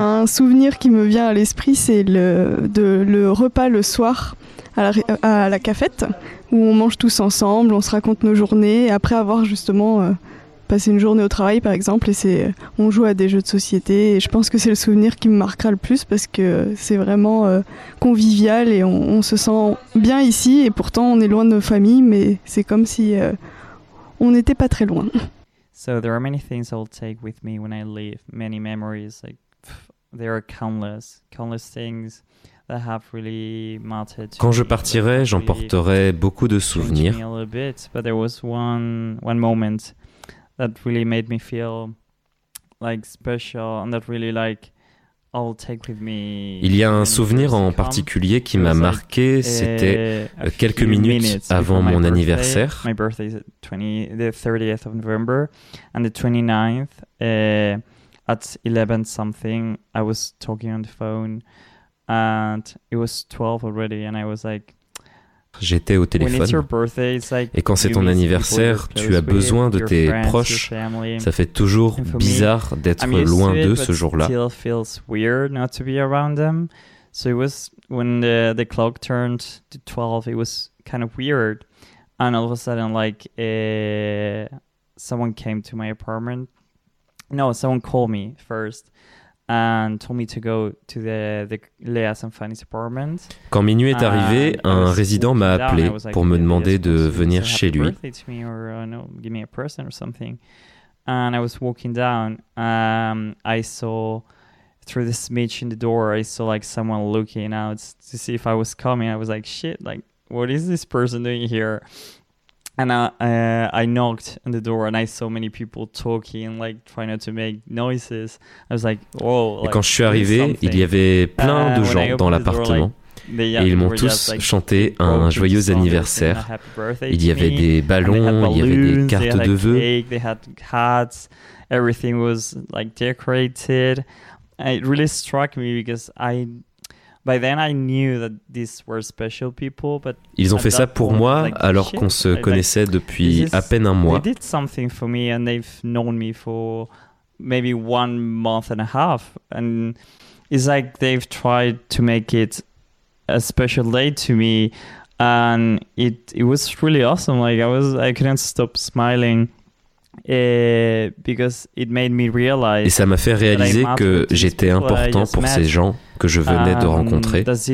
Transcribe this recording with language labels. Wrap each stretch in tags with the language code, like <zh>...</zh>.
<fr>Un souvenir qui me vient à l'esprit, c'est le repas le soir à la cafette, où on mange tous ensemble, on se raconte nos journées, après avoir justement passé une journée au travail, par exemple, on joue à des jeux de société, et je pense que c'est le souvenir qui me marquera le plus, parce que c'est vraiment convivial, et on se sent bien ici, et pourtant, on est loin de nos familles, mais c'est comme si on n'était pas très loin.</fr> <en>So there are many things I'll take with me when I leave, many memories, there are countless things that have really mattered.</en> <fr>Quand je partirai, j'emporterai beaucoup de souvenirs.</fr> <en>A little bit, but there was one moment that really made me feel like special and that really like I'll take with me.</en> <fr>Il y a un souvenir en particulier qui m'a marqué, c'était quelques minutes avant mon anniversaire.</fr> <en>My birthday is the 30th of November and the 29th at 11 something I was talking on the phone and it was 12 already and I was like</en> <fr>j'étais au téléphone. Et quand c'est ton anniversaire, tu as besoin de tes proches. Ça fait toujours bizarre d'être loin d'eux ce jour-là.</fr> <en>And told me to go to the Léa Sanfani's apartment.</en> <fr>Quand minuit est arrivé, un résident m'a appelé pour me demander de venir chez lui.</fr> <en>Give me a present or something. and I was walking down, I saw through the smidge in the door, I saw like someone looking out to see if I was coming. I was like, shit, like, what is this person doing here? And I knocked on the door and I saw many people talking, like trying not to make noises. I was like, whoa.</en> <fr>Et</fr> <en>like,</en> <fr>quand je suis arrivé, il y avait plein de gens dans l'appartement. Et ils m'ont tous chanté un joyeux anniversaire. Il y avait des ballons, il y avait des cartes de vœux.</fr> <en>They had hats. Everything was like decorated. And it really struck me because I, by then I knew that these were special people. But</en> <fr>ils ont fait ça pour moi alors qu'on se connaissait depuis à peine un mois.</fr> <en>They did something for me and they've known me for maybe 1 month and a half. And it's like they've tried to make it a special day to me, and it was really awesome. Like I couldn't stop smiling because it made me realize.</en> <fr>Et ça m'a fait réaliser que j'étais important pour ces gens que je venais de rencontrer.</fr>